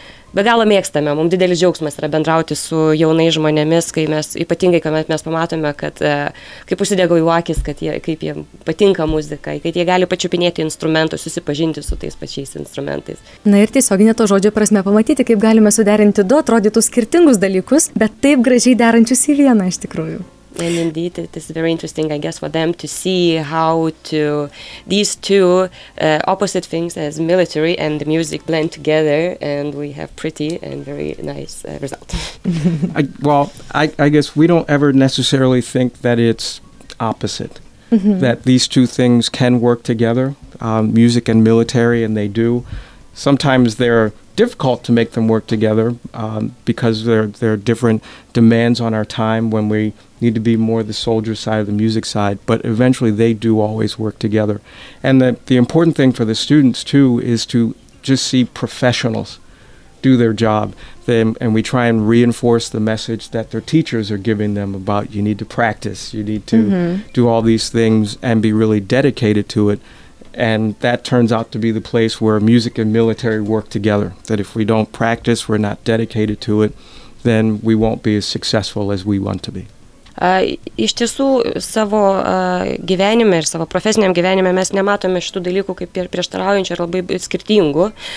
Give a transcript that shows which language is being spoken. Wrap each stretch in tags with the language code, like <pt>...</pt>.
<lt>Be galo mėgstame, mums didelis džiaugsmas yra bendrauti su jaunais žmonėmis, kai mes, ypatingai, kai mes pamatome, kad kaip užsidega jų akis, kad jie, kaip jie patinka muzika, kad jie gali pačiupinėti instrumentus, susipažinti su tais pačiais instrumentais. Na ir tiesioginė to žodžio prasme pamatyti, kaip galime suderinti du atrodytų skirtingus dalykus, bet taip gražiai derančius į vieną iš tikrųjų.</lt> <en>And indeed, it is very interesting, I guess, for them to see how to these two opposite things as military and the music blend together, and we have pretty and very nice result. I guess we don't ever necessarily think that it's opposite, mm-hmm. that these two things can work together, music and military, and they do. Sometimes they're difficult to make them work together because there are different demands on our time when we need to be more the soldier side of the music side, but eventually they do always work together. And the important thing for the students too is to just see professionals do their job. And we try and reinforce the message that their teachers are giving them about you need to practice, you need to mm-hmm. do all these things and be really dedicated to it. And that turns out to be the place where music and military work together. That if we don't practice, we're not dedicated to it, then we won't be as successful as we want to be.</en> <lt>Iš tiesų, savo gyvenime ir savo profesiniam gyvenime mes nematome šitų dalykų kaip ir prieštaraujančių ir labai skirtingų.</lt>